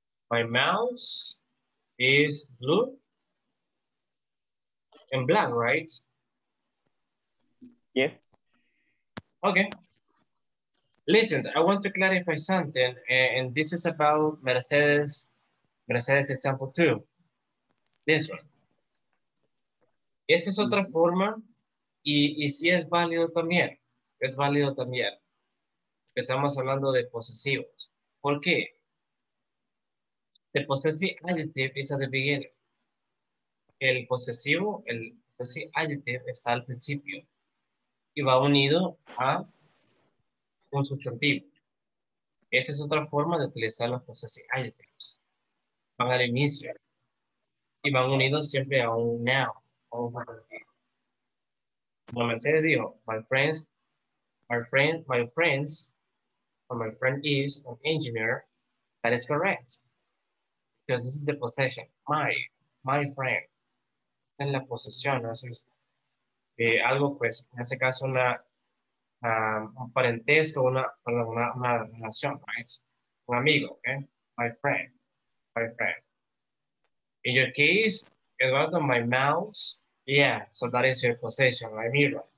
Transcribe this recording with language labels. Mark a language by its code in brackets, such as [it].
[en] My mouse is blue and black, right? Yes. Okay. Listen, I want to clarify something, and this is about Mercedes example 2. This one. [es] Esa es otra forma, y sí es válido también. Es válido también. Estamos hablando de posesivos. ¿Por qué? [en] The possessive adjective is at the beginning. [es] El posesivo, el Entonces, adjective está al principio y va unido a un sustantivo. Esta es otra forma de utilizar las [en] possessive adjectives. [es] Van al inicio y van unidos siempre a un noun o un sustantivo. Como Mercedes dijo, [en] my friend, or my friend is an engineer, that is correct. Because this is the possession, my friend. [es] Esa es la posesión, ¿no? Entonces, algo pues, en ese caso, un parentesco, una relación, right? Un amigo, okay? [en] My friend. In your case, Eduardo, my mouse, yeah, so that is your possession, my mirror.